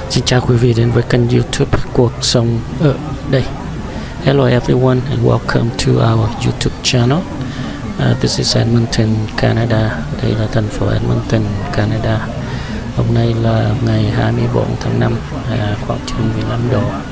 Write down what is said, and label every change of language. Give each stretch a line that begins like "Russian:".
Vietnamese: chào quý vị đến với kênh YouTube Cuộc Sống Ở Đây.
English: Hello everyone and welcome to our YouTube channel. This is Edmonton, Canada.
Vietnamese: Đây là thành phố Edmonton, Canada. Hôm nay là ngày 24 tháng 5, khoảng chừng 15 độ.